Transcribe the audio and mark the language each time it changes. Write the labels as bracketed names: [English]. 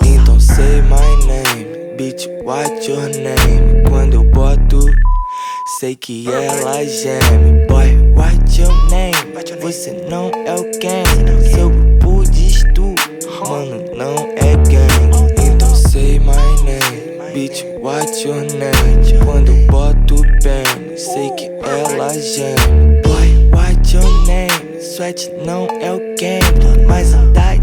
[English] Então say my name, bitch, what's your name? [Portuguese] Quando eu boto, sei que ela geme. [English] Boy, what's your name? [Portuguese] Você não é o Ken. Seu grupo diz tu, mano, não é gang. [English] Então say my name, bitch, what's your name? [Portuguese] Quando eu boto o pene, sei que ela geme. [English] Boy, what's your name? [Portuguese] Sweat não é o Ken, mas andar.